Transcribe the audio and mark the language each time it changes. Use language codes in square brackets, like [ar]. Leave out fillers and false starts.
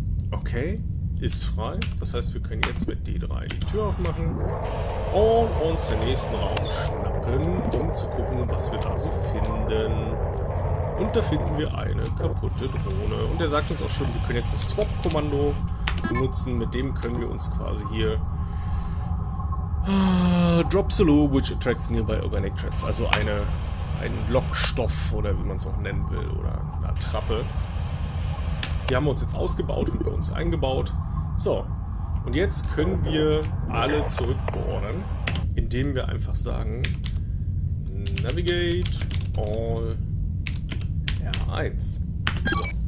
[de] Okay, ist frei. Das heißt, wir können jetzt mit D3 die Tür aufmachen und uns den nächsten Raum schnappen, um zu gucken, was wir da so finden. Und da finden wir eine kaputte Drohne. Und er sagt uns auch schon, wir können jetzt das Swap-Kommando benutzen. Mit dem können wir uns quasi hier... [en] Drops a low, which attracts nearby organic threats. [de] Also ein Lockstoff, oder wie man es auch nennen will, oder eine Attrappe. Die haben wir uns jetzt ausgebaut und bei uns eingebaut. So, und jetzt können wir alle zurückbohren, indem wir einfach sagen, [en] Navigate all R1. [de] So.